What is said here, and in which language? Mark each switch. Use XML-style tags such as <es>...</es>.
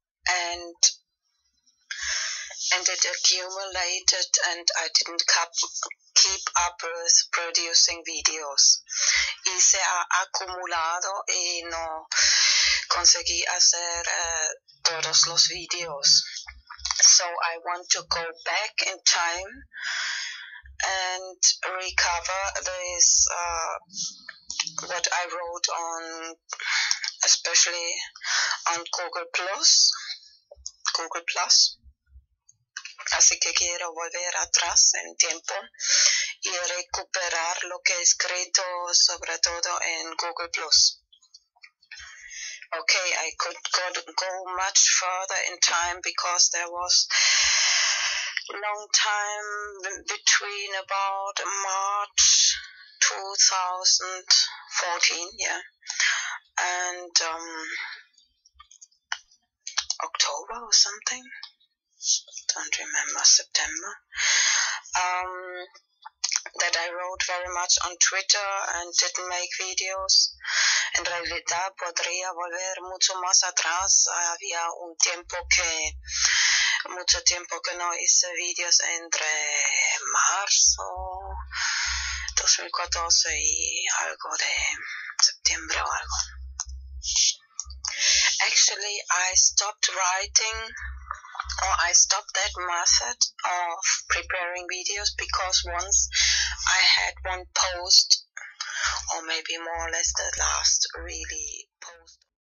<en>and it accumulated, and I didn't keep up with producing videos.</en> <es>Y se ha acumulado y no conseguí hacer todos los videos.</es> <en>So I want to go back in time and recover this, what I wrote on, especially on Google Plus.</en> <es>Así que quiero volver atrás en tiempo y recuperar lo que he escrito, sobre todo en Google Plus.</es> <en>Okay, I could go much further in time because there was long time between about March 2014, yeah, and October or something. Don't remember, September. That I wrote very much on Twitter and didn't make videos.</en> <es>En realidad podría volver mucho más atrás. Había un tiempo que, mucho tiempo que no hice videos entre marzo 2014 y algo de septiembre o algo.</es> <en>Actually, I stopped writing, or I stopped that method of preparing videos because once I had one post, or maybe more or less the last really post.</en>